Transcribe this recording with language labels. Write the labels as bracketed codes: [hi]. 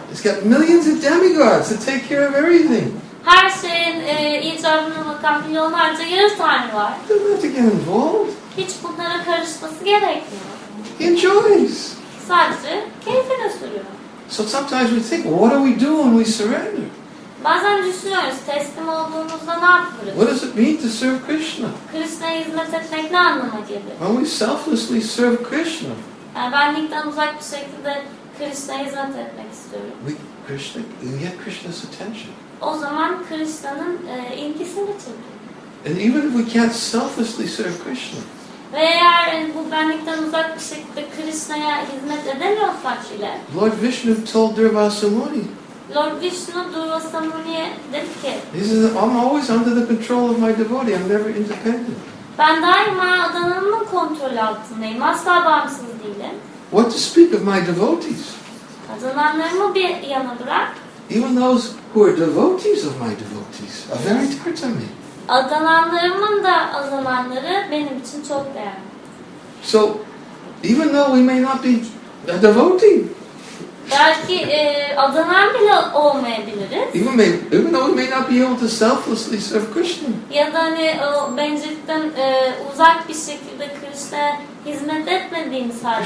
[en] He's got millions of demigods to take care of everything. [tr] Her şeyin icabına bakan milyonlarca yarı tanrı var. [en] Doesn't have to get involved. [tr] Hiç bunlara karışması gerekmiyor. [en] He enjoys. [tr] Sadece keyfine sürüyor. [en] So sometimes we think, what do we do when we surrender? [tr] Bazen düşünüyoruz, teslim olduğumuzda ne yapıyoruz? [en] What does it mean to serve Krishna? [tr] Krishna'ya hizmet etmek ne anlama gelir? [en] When we selflessly serve Krishna. [tr] Yani benlikten uzak bir şekilde Krishna'ya hizmet etmek istiyorum. [en] We get Krishna's attention. [tr] O zaman Krishna'nın ilgisini çekiyor. [en] And even if we can't selflessly serve Krishna. [tr] Ve eğer bu benlikten uzak bir şekilde Krishna'ya hizmet edemiyorsak bile. [en] Lord Vishnu told Durvasamuni. [tr] Lord Vishnu Durvasamuni'ye dedi ki. [en] I'm always under the control of my devotee. I'm never independent. [tr] Ben daima adanımın kontrolü altındayım. Asla bağımsız değilim. [en] What to speak of my devotees? [tr] Adananlarımı bir yana bırak. [en] Even those who are devotees of my devotees are very dear to me. [tr] Adananlarımın da adananları benim için çok değerli. [en] So, even though we may not be a devotee. [tr] Belki adanan bile olmayabiliriz. [en] Even though we may not be able to selflessly serve Krishna. [tr] Ya da hani o bencillikten uzak bir şekilde Krishna'ya hizmet etmediğimiz halde.